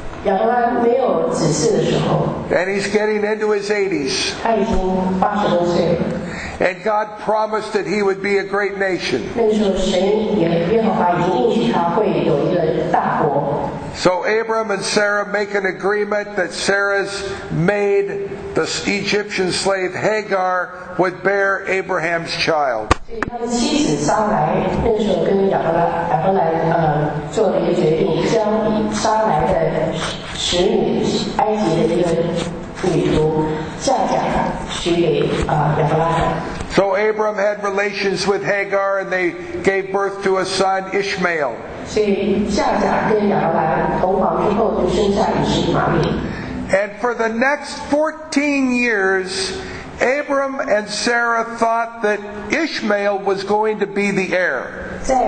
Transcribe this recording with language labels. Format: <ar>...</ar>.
<zh>亚伯拉没有子嗣的时候</zh> <en>and he's getting into his 80s.</en> <zh>他已经80多岁了</zh> <en>and God promised that he would be a great nation.</en> <zh>那时候神也耶和华已经应许他会有一个大国</zh> <en>So Abram and Sarah make an agreement that Sarah's maid, the Egyptian slave Hagar, would bear Abraham's child.</en> <zh>所以他的妻子撒来那时候跟亚伯拉做了一个决定，将撒来的使女埃及的这个女仆嫁给了许给亚伯拉罕。</zh> <en>So Abram had relations with Hagar, and they gave birth to a son, Ishmael. And for the next 14 years, Abram and Sarah thought that Ishmael was going to be the heir.</en>